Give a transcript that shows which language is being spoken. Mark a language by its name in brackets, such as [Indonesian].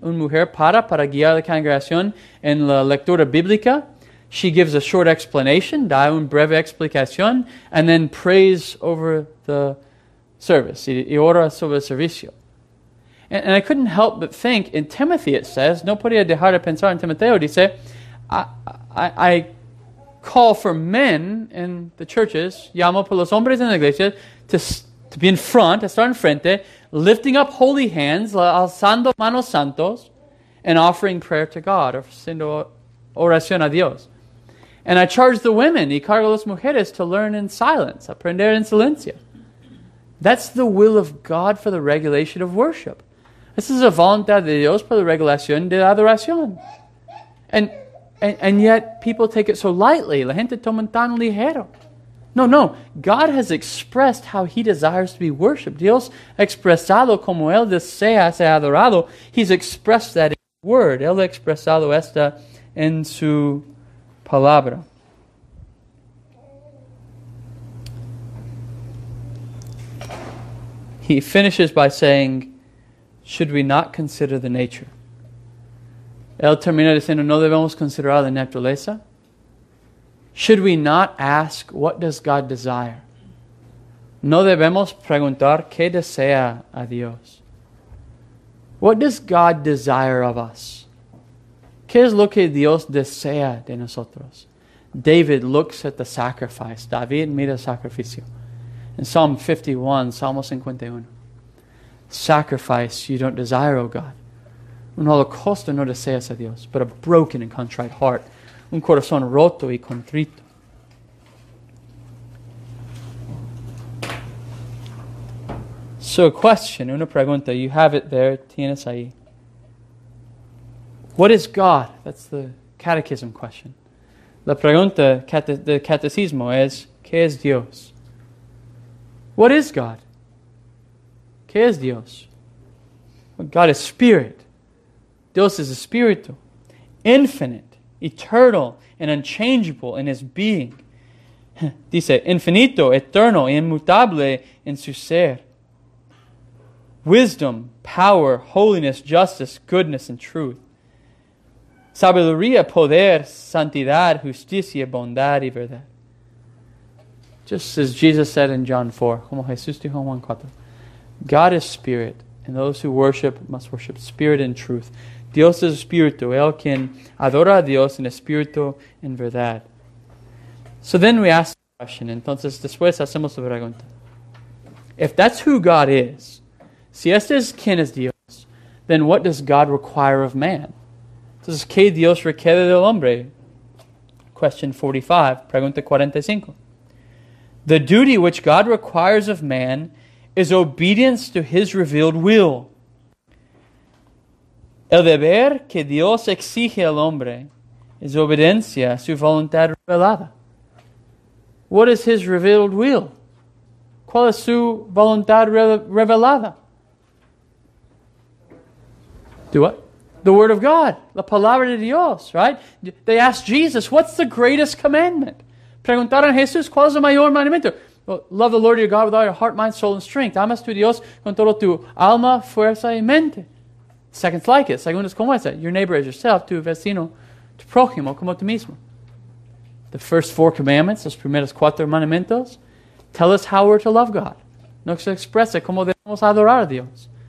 [Spanish] Una mujer para guiar la congregación en la lectura bíblica. [English] She gives a short explanation, [Spanish] da un breve explicación, [English] and then prays over the service, [Spanish] y ora sobre el servicio. [English] And I couldn't help but think, in Timothy it says, [Spanish] no podía dejar de pensar en Timoteo, dice, [English] I call for men in the churches, [Spanish] llamo por los hombres en la iglesia, [English] to be in front, [Spanish] estar en frente, [English] lifting up holy hands, [Spanish] alzando manos santos, [English] and offering prayer to God, [Spanish] ofreciendo oración a Dios. [English] And I charge the women, [Spanish] y cargo las mujeres, [English] to learn in silence, [Spanish] aprender en silencio. [English] That's the will of God for the regulation of worship. This is a [Spanish] voluntad de Dios para la regulación de la adoración. And [English] And yet people take it so lightly. [Spanish] La gente toma tan ligero. [English] No, no. God has expressed how He desires to be worshipped. [Spanish] Dios ha expresado como Él desea ser adorado. [English] He's expressed that in His Word. [Spanish] Él ha expresado esta en su palabra. [English] He finishes by saying, should we not consider the nature? [Spanish] Él termina diciendo, ¿no debemos considerar la naturaleza? [English] Should we not ask, what does God desire? [Spanish] ¿No debemos preguntar qué desea a Dios? [English] What does God desire of us? [Spanish] ¿Qué es lo que Dios desea de nosotros? [English] David looks at the sacrifice. [Spanish] David mira el sacrificio. [English] In Psalm 51, [Spanish] Salmo 51. [English] Sacrifice you don't desire, O God. [Spanish] Un holocausto no deseas a Dios, [English] but a broken and contrite heart. [Spanish] Un corazón roto y contrito. [English] So a question, [Spanish] una pregunta. [English] You have it there, [Spanish] tienes ahí. [English] What is God? That's the catechism question. [Spanish] La pregunta de catecismo es, ¿qué es Dios? [English] What is God? [Spanish] ¿Qué es Dios? [English] Well, God is spirit. [Spanish] Dios es espíritu. [English] Infinite, eternal, and unchangeable in His being. [Spanish] Dice, infinito, eterno, inmutable en su ser. [English] Wisdom, power, holiness, justice, goodness, and truth. [Spanish] Sabiduría, poder, santidad, justicia, bondad y verdad. [English] Just as Jesus said in John 4, [Spanish] como Jesús dijo en Juan 4, [English] God is spirit, and those who worship must worship spirit and truth. [Spanish] Dios es espíritu, el quien adora a Dios en espíritu en verdad. [English] So then we ask the question, [Spanish] entonces después hacemos la pregunta. [English] If that's who God is, [Spanish] si este es quien es Dios, [English] then what does God require of man? [Spanish] Entonces, ¿qué Dios requiere del hombre? [English] Question 45, [Spanish] pregunta 45. [English] The duty which God requires of man is obedience to His revealed will. [Spanish] El deber que Dios exige al hombre es obediencia a su voluntad revelada. [English] What is His revealed will? [Spanish] ¿Cuál es su voluntad revelada? [English] Do what? The Word of God. [Spanish] La palabra de Dios, [English] right? They asked Jesus, what's the greatest commandment? [Spanish] Preguntaron a Jesús, ¿cuál es el mayor mandamiento? [English] Well, love the Lord your God with all your heart, mind, soul, and strength. [Spanish] Amas tu Dios con todo tu alma, fuerza y mente. [English] Second's like it. [Spanish] Segundo es como esa. [English] Your neighbor as yourself, [Spanish] tu vecino, tu prójimo, como tú mismo. [English] The first four commandments, [Spanish] los primeros cuatro mandamientos, [English] tell us how we're to love God. [Spanish] Nos expresa cómo debemos adorar a Dios.